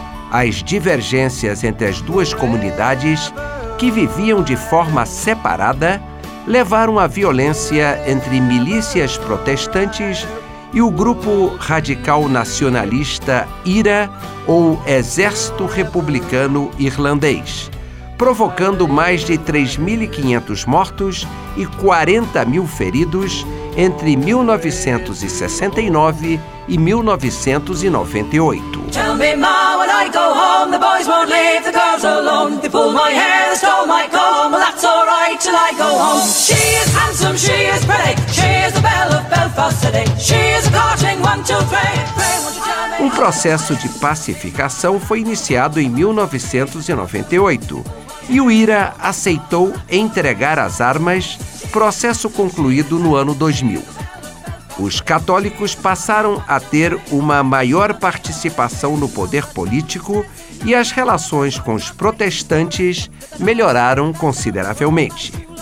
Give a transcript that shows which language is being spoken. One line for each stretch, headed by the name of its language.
Portuguese: As divergências entre as duas comunidades, que viviam de forma separada, levaram à violência entre milícias protestantes e o grupo radical nacionalista IRA, ou Exército Republicano Irlandês, provocando mais de 3.500 mortos e 40 mil feridos entre 1969 e 1998.
English: Tell me, ma, when I go home, the boys won't leave the girls alone. They pull my hair, the storm might come, well that's all right till I go home. She is handsome, she is pretty, she is the belle of Belfast City. She is a courting one, two, three.
Portuguese: Um processo de pacificação foi iniciado em 1998, e o IRA aceitou entregar as armas, processo concluído no ano 2000. Os católicos passaram a ter uma maior participação no poder político e as relações com os protestantes melhoraram consideravelmente.